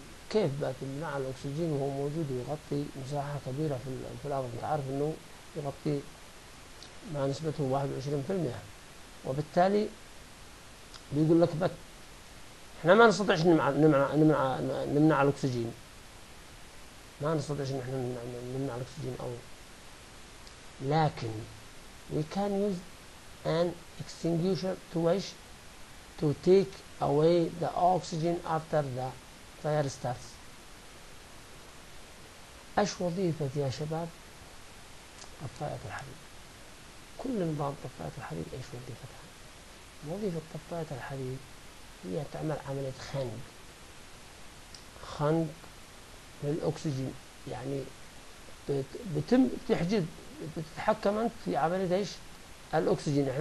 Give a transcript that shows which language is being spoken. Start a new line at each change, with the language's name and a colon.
Arabic: كيف بتمنع الاكسجين وهو موجود ويغطي مساحه كبيره في الارض؟ انت عارف انه يغطي مع نسبته 21%، وبالتالي بيقول لك بك احنا ما نستطيعش نمنع الاكسجين، ما نستطيعش ان احنا نمنع الاكسجين.
English: او لكن we can use an extinguisher to wish to take away the oxygen after the fire starts.
Arabic: ايش وظيفة يا شباب طفاية الحريق؟ كل نظام طفاية الحريق ايش وظيفتها؟ وظيفة طفاية الحريق هي تعمل عملية خنق، خنق للأكسجين، يعني بتم تحجز، بتتحكم انت في عملية ايش؟ الأكسجين.